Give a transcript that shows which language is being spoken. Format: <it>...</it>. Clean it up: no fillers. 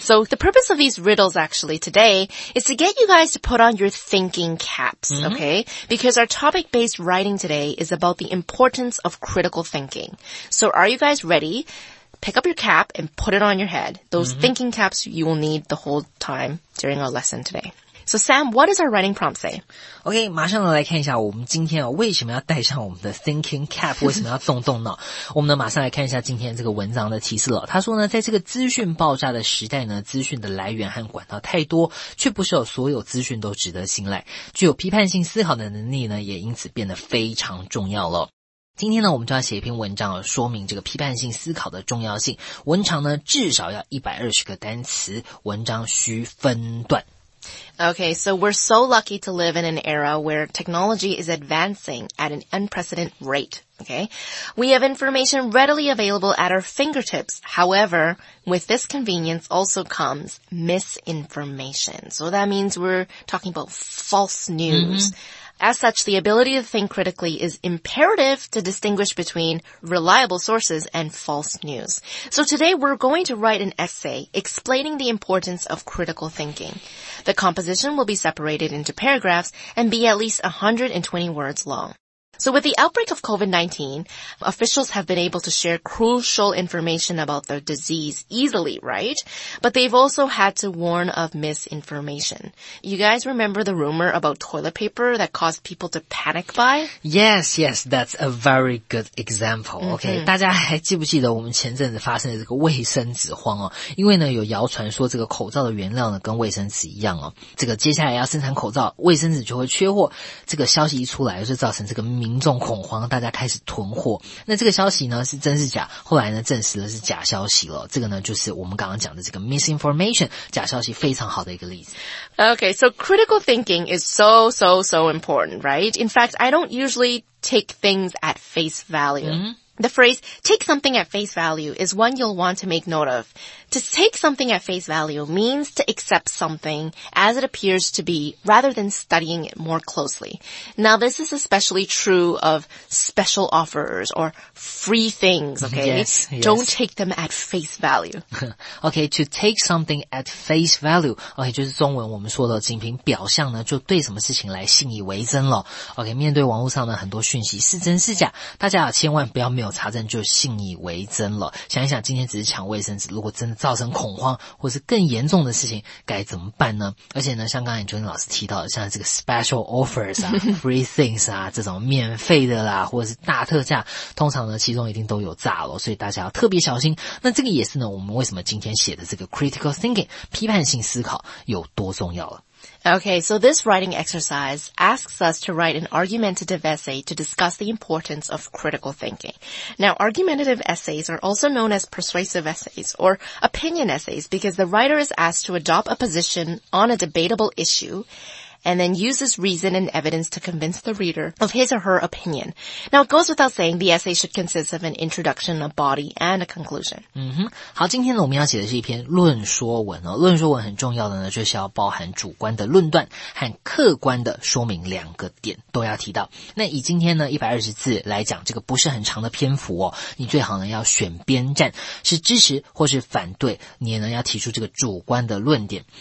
<en>So the purpose of these riddles actually today is to get you guys to put on your thinking caps, okay? Because our topic-based writing today is about the importance of critical thinking. So are you guys ready? Pick up your cap and put it on your head. Those thinking caps you will need the whole time during our lesson today. So Sam, what is our writing prompt say?</en> <zh>Okay, 马上来看一下我们今天为什么要戴上我们的 thinking cap, 为什么要动动脑。我们呢马上来看一下今天这个文章的提示了。他说呢，在这个资讯爆炸的时代呢，资讯的来源和管道太多，却不是有所有资讯都值得信赖。具有批判性思考的能力呢，也因此变得非常重要了。今天呢，我们就要写一篇文章，说明这个批判性思考的重要性。文长呢，至少要120个单词，文章需分段。</zh> <en>Okay, so we're so lucky to live in an era where technology is advancing at an unprecedented rate, okay? We have information readily available at our fingertips. However, with this convenience also comes misinformation. So that means we're talking about false news. As such, the ability to think critically is imperative to distinguish between reliable sources and false news. So today we're going to write an essay explaining the importance of critical thinking. The composition will be separated into paragraphs and be at least 120 words long. So with the outbreak of COVID-19, officials have been able to share crucial information about the disease easily, right? But they've also had to warn of misinformation. You guys remember the rumor about toilet paper that caused people to panic buy? Yes, yes, that's a very good example.</en> <zh>Okay, 大家还记不记得我们前阵子发生的这个卫生纸荒哦？因为呢，有谣传说这个口罩的原料呢跟卫生纸一样哦，这个接下来要生产口罩，卫生纸就会缺货。这个消息一出来，就造成这个民众恐慌，大家开始囤货。那这个消息呢是真是假，后来呢证实了是假消息了。这个呢就是我们刚刚讲的这个 misinformation, 假消息非常好的一个例子。</zh> <en>Okay, so critical thinking is so important, right? In fact, I don't usually take things at face value. The phrase, take something at face value, is one you'll want to make note of. To take something at face value means to accept something as it appears to be, rather than studying it more closely. Now, this is especially true of special offers or free things, okay? Yes, yes. Don't take them at face value. Okay, to take something at face value.</en> <zh>Okay, 就是中文我们说的仅凭表象呢，就对什么事情来信以为真了。 Okay, 面对网络上的很多讯息是真是假，大家千万不要没有查证就信以为真了。想一想，今天只是抢卫生纸，如果真造成恐慌或是更严重的事情该怎么办呢？而且呢，像刚才Angeline老师提到的，像这个 special offers 啊free things 啊这种免费的啦或者是大特价，通常呢其中一定都有诈咯，所以大家要特别小心。那这个也是呢我们为什么今天写的这个 critical thinking 批判性思考有多重要了。</zh> <en>Okay, so this writing exercise asks us to write an argumentative essay to discuss the importance of critical thinking. Now, argumentative essays are also known as persuasive essays or opinion essays because the writer is asked to adopt a position on a debatable issue and then uses reason and evidence to convince the reader of his or her opinion. Now, it goes without saying the essay should consist of an introduction, a body, and a conclusion.</en> <zh>好，今天呢我们要写的是一篇论说文哦。论说文很重要的呢，就是要包含主观的论断和客观的说明两个点都要提到。那以今天呢120字来讲，这个不是很长的篇幅哦，你最好呢要选边站，是支持或是反对，你也呢要提出这个主观的论点。</zh>